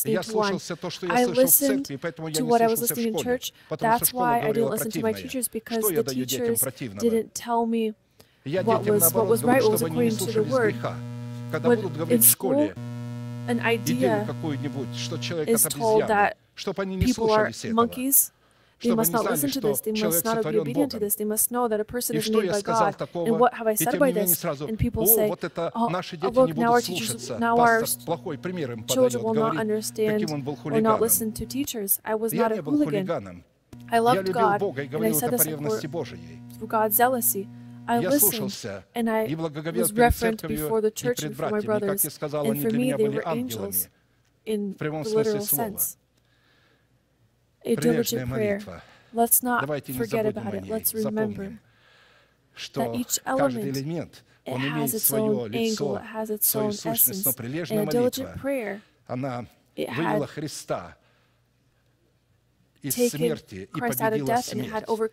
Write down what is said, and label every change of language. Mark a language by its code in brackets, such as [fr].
[ru] Я слушался то, что я слышал в церкви, поэтому я не слышался в школе. Потому что школа говорила противное. Что я даю детям противного? Я детям, наоборот, говорю, чтобы они не слушались греха. Когда будут говорить в школе, [en] An idea [ru] какую-нибудь, что человек [en] is told that people are monkeys. They must not listen to this. They must not be obedient to this. They must know that a person is made by God. And what have I said by this? And people say, "Oh, look, now our teachers, now our children will not understand or not listen to teachers. I was not a hooligan. I loved God, and I said this through God's jealousy." [ru] Я слушался и благоговел перед церковью и перед братьями, как я сказал, они для меня были ангелами, в прямом смысле слова. Прилежная молитва. Давайте не забудем о ней, запомним, что каждый элемент, он имеет свое лицо, свою сущность, но прилежная молитва, она вывела Христа из смерти и победила смерть.